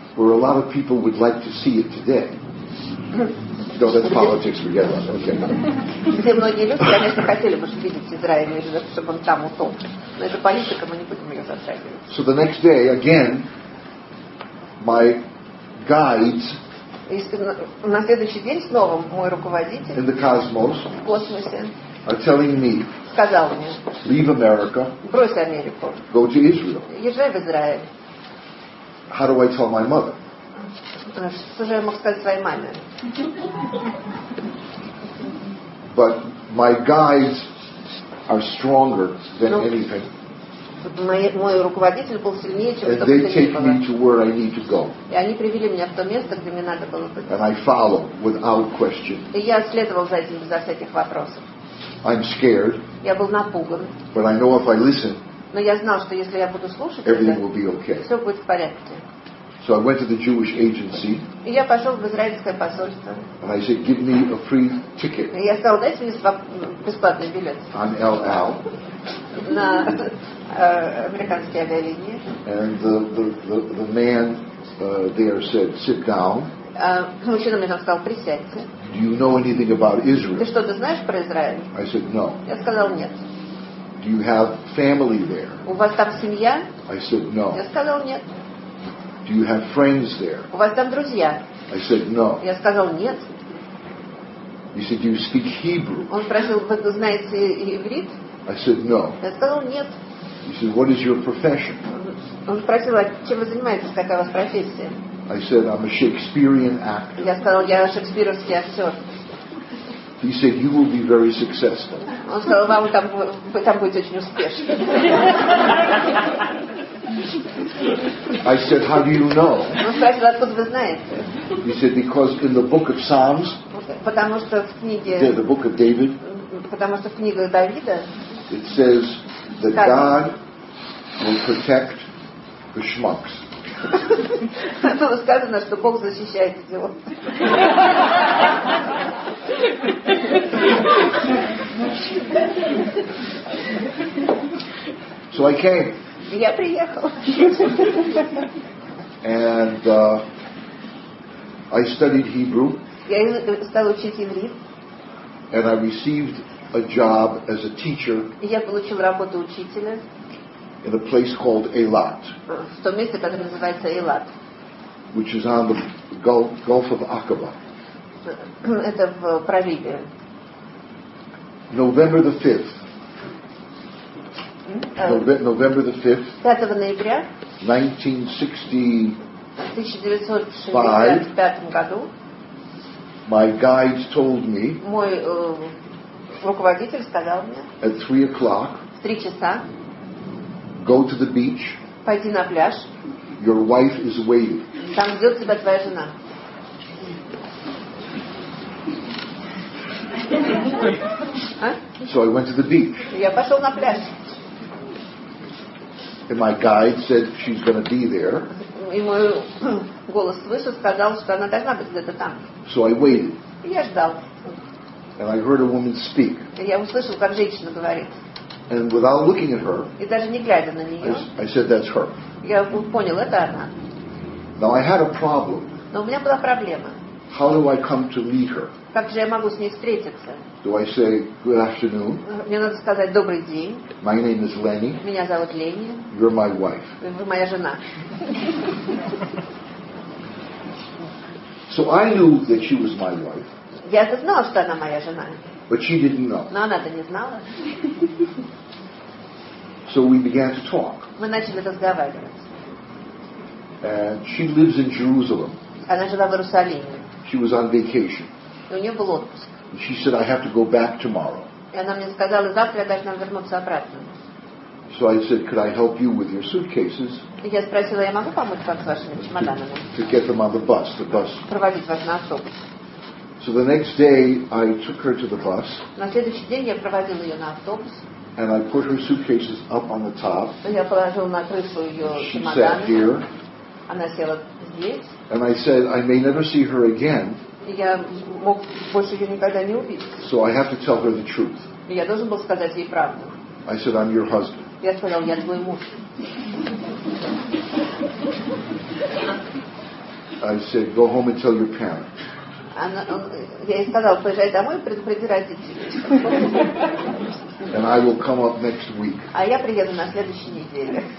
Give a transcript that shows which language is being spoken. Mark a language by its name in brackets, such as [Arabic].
[English] Where a lot of people would like to see it today. No, that's politics. We get on. Okay. [Russian] Все многие люди, конечно, хотели бы видеть Израиль, чтобы он там утонул. Но это политика, мы не будем ее затрагивать. [English] So the next day, again, my guides. [Russian] И на следующий день снова мой руководитель. [English] In the cosmos. [Russian] В космосе. [English] Are telling me. [Russian] Сказал мне. [English] Leave America. [Russian] Брось Америку. [English] Go to Israel. [Russian] Езжай в Израиль. [English] How do I tell my mother? [Russian] Что же я мог сказать своей маме? [English] But my guides are stronger than anything. [Russian] Мой руководитель был сильнее, чем [English] And they take me to where I need to go. [Russian] И они привели меня в то место, где мне надо было быть. [English] And I follow without question. [Russian] И я следовал за этим безо всяких вопросов. [English] I'm scared. [Russian] Я был напуган. [English] But I know if I listen. [Russian] Но я знал, что если я буду слушать, [English] everything will be okay. [Russian] Все будет в порядке. [English] So I went to the Jewish agency. [Russian] И я пошел в израильское посольство. [English] And I said, give me a free ticket. [Russian] И я сказал, дайте мне бесплатный билет. [English] On LL. [Russian] На американские авиалинии. [English] And the man there said, sit down. [Russian] Мужчина мне там сказал, присядьте. [English] Do you know anything about Israel? [Russian] Ты что-то знаешь про Израиль? [English] I said, no. [Russian] Я сказал, нет. [English] Do you have family there? [Russian] У вас там семья? [English] I said, no. [Russian] Я сказал, нет. [English] Do you have friends there? [Russian] У вас там друзья? [English] I said no. [Russian] Я сказал нет. [English] He said, do you speak Hebrew? [Russian] Он спросил, вы знаете иврит? [English] I said no. [Russian] Я сказал нет. [English] He said, what is your profession? [Russian] Он спросил, а чем вы занимаетесь, какая у вас профессия? [English] I said, I'm a Shakespearean actor. [Russian] Я сказал, я шекспировский актер. [English] He said, you will be very successful. [Russian] Он сказал, вам там, вы там будете очень успешны. [English] I said, how do you know? [Russian] Он спросил, откуда вы знаете? [English] He said, because in the book of Psalms, [Russian] потому что в книге, [English] yeah, the book of David, [Russian] потому что в книгах Давида, [English] it says that [Russian] как? [English] God will protect the schmucks. [Russian] Было сказано, что Бог защищает идиотов. [English] So I came. [Russian] Я приехал. [English] And I studied Hebrew. [Russian] Я стал учить иврит. [English] And I received a job as a teacher. [Russian] Я получил работу учителя. [English] In a place called Eilat. [Russian] В том месте, которое называется Эйлат. [English] Which is on the Gulf of Aqaba. [Russian] Это в проливе. [English] November the 5th. November the 5th, [Russian] 5 ноября, [English] 1965, my guides told me, [Russian] мой руководитель сказал мне, [English] at 3 o'clock, [Russian] в 3 часа, [English] go to the beach, [Russian] пойди на пляж, [English] your wife is waiting, [Russian] там ждет тебя твоя жена. [English] So I went to the beach. [Russian] Я пошел на пляж. [English] And my guide said she's going to be there. [Russian] И мой голос выше сказал, что она должна быть где-то там. [English] So I waited. [Russian] Я ждал. [English] And I heard a woman speak. [Russian] Я услышал, как женщина говорит. [English] And without looking at her, [Russian] и даже не глядя на нее, [English] I said, that's her. [Russian] Я понял, это она. [English] Now I had a problem. [Russian] Но у меня была проблема. [English] How do I come to meet her? [Russian] Как же я могу с ней встретиться? [English] Do I say, good afternoon? [Russian] Мне надо сказать, добрый день. [English] My name is Lenny. [Russian] Меня зовут Ленни. [English] You're my wife. [Russian] Вы моя жена. [English] So I knew that she was my wife. [Russian] Я знала, что она моя жена. [English] But she didn't know. [Russian] Но она-то не знала. [English] So we began to talk. [Russian] Мы начали разговаривать. [English] And she lives in Jerusalem. [Russian] Она жила в Иерусалиме. [English] She was on vacation. [Russian] И у нее был отпуск. [English] And she said, I have to go back tomorrow. [Russian] И она мне сказала, завтра я должна вернуться обратно. [English] So I said, could I help you with your suitcases? [Russian] И я спросила, я могу помочь вам с вашими чемоданами? [English] To get them on the bus. [Russian] Проводить вас на автобус. [English] So the next day, I took her to the bus. [Russian] На следующий день я проводил ее на автобус. [English] And I put her suitcases up on the top. [Russian] Я положил на крышу ее чемоданы. [English] She sat here. [Russian] Она села здесь. [English] And I said, I may never see her again. [Russian] Я мог больше ее никогда не увидеть. [English] So I have to tell her the truth. [Russian] Я должен был сказать ей правду. [English] I said, I'm your husband. [Russian] Я сказал, я твой муж. [English] I said, go home and tell your parents. [Russian] Я ей сказал, поезжай домой и предупреди родителей. А я приеду на следующей неделе.